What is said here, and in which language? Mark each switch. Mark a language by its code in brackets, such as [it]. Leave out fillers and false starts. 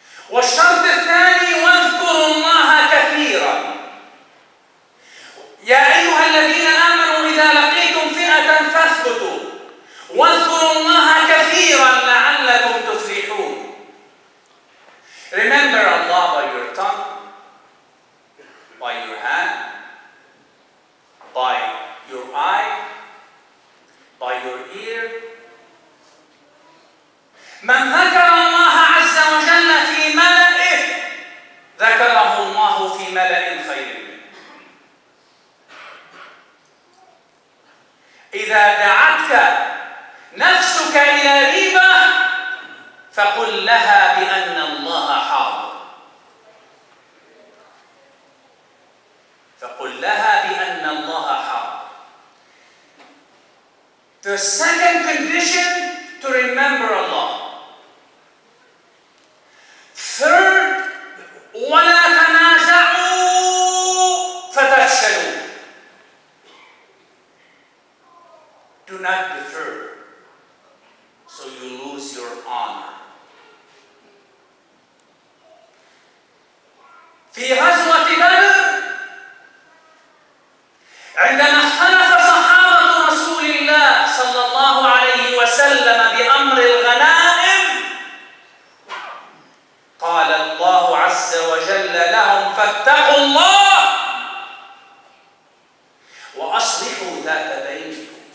[ar] والشرط الثاني واذكروا الله كثيرا. يا أيها الذين آمنوا إذا لقيتم فئة فاثبتوا واذكروا الله كثيرا لعلكم تفلحون. [en] Remember Allah by your tongue, by your hand, by your eye, by your ear. [ar] من ذكر الله عز وجل في ملئه ذكره الله في ملأ خير منه. إذا دعتك نفسك إلى ريبة فقل لها بأن الله حاضر. فقل لها بأن الله حاضر. [en] The second condition, to remember Allah. Third, [ar] وَلَا تَنَازَعُوا فَتَفْشَلُوا. [en] Do not defer, so you lose your honor. [ar] في غزوة بدر عندما اختلف صحابة رسول الله صلى الله عليه وسلم بأمر الغنائم قال الله عز وجل لهم فاتقوا الله وأصلحوا ذات بينكم.